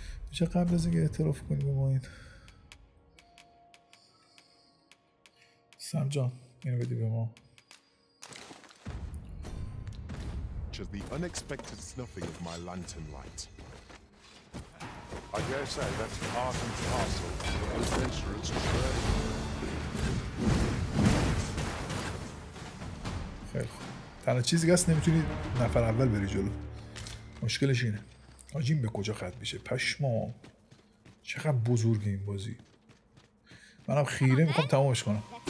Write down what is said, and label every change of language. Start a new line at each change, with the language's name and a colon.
Persian: میشه قبل از اینکه اعتراف کنی به ما این سم جان اینو بدی به ما.
English: Just the unexpected snuffing of my lantern light. I dare say that's part and parcel of the adventurer's journey.
Persian: خیلی خوب. تنها چیزی که هست نمیتونی نفر اول بری جلو. مشکلش اینه. آجیم به کجا ختم میشه؟ پشمام. چقدر بزرگ این بازی. منم خیره میخوام تمامش کنم.